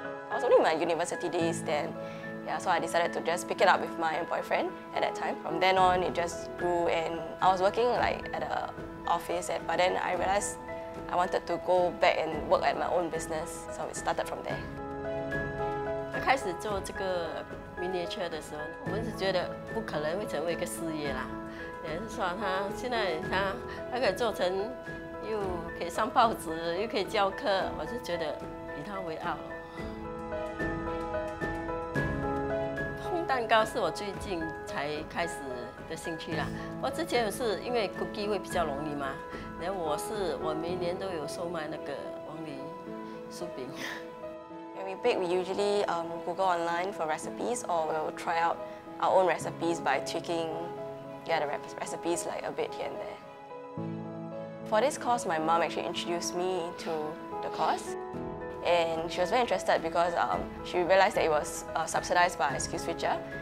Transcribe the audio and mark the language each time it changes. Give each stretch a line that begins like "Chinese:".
English: I was only in my university days then, yeah, so I decided to just pick it up with my boyfriend at that time. From then on, it just grew and I was working like at an office, but then I realized I wanted to go back and work at my own business, so it started from there.
Chinese: 开始做这个 miniature 的时候，我们是觉得不可能会成为一个事业啦。也是说，他现在他可以做成，又可以上报纸，又可以教课，我是觉得以他为傲。烘蛋糕是我最近才开始的兴趣啦。我之前是因为 cookie 会比较容易嘛，然后我每年都有收卖那个王林酥饼。
English: We bake, we usually Google online for recipes or we'll try out our own recipes by tweaking the recipes like a bit here and there. For this course, my mom actually introduced me to the course and she was very interested because she realized that it was subsidized by SkillsFuture.